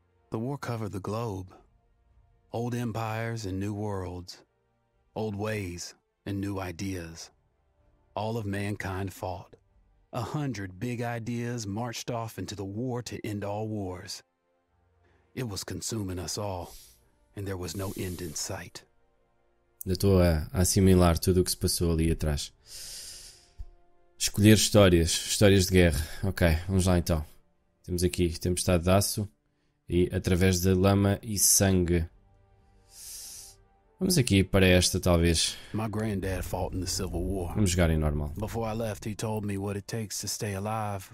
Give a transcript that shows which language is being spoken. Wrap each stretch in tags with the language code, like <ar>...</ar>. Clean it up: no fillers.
<en>The war covered the globe. Old empires and new worlds. Old ways and new ideas. All of mankind fought. 100 big ideas marched off into the war to end all wars. It was consuming us all, and there was no end in sight.</en> <pt>Eu estou a assimilar tudo o que se passou ali atrás. Escolher histórias, histórias de guerra. Ok, vamos lá então. Temos aqui Tempestade de Aço e Através de Lama e Sangue. Vamos aqui para esta, talvez.</pt> <en>My granddad fought in the Civil War.</en> <pt>Vamos jogar em normal.</pt> <en>Before I left, he told me what it takes to stay alive,</en>